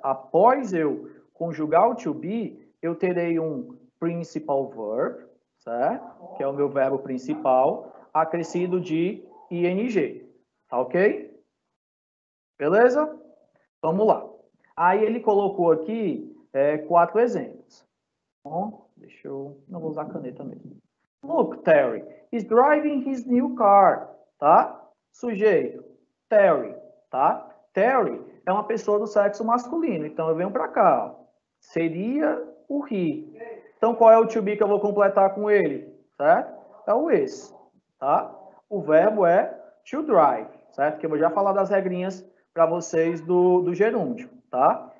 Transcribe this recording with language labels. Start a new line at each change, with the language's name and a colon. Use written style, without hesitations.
Portuguese: Após eu conjugar o to be, eu terei um principal verb, certo? Que é o meu verbo principal, acrescido de ing, tá ok? Beleza? Vamos lá. Aí ele colocou aqui quatro exemplos. Bom, deixa eu... Não vou usar a caneta mesmo.
English: Look, Terry is driving his new car, tá?
Portuguese: Sujeito, Terry, tá? Terry é uma pessoa do sexo masculino, então eu venho pra cá, ó. Seria o he. Então qual é o to be que eu vou completar com ele, certo? É o is, tá? O verbo é to drive, certo? Que eu vou já falar das regrinhas para vocês do gerúndio, tá?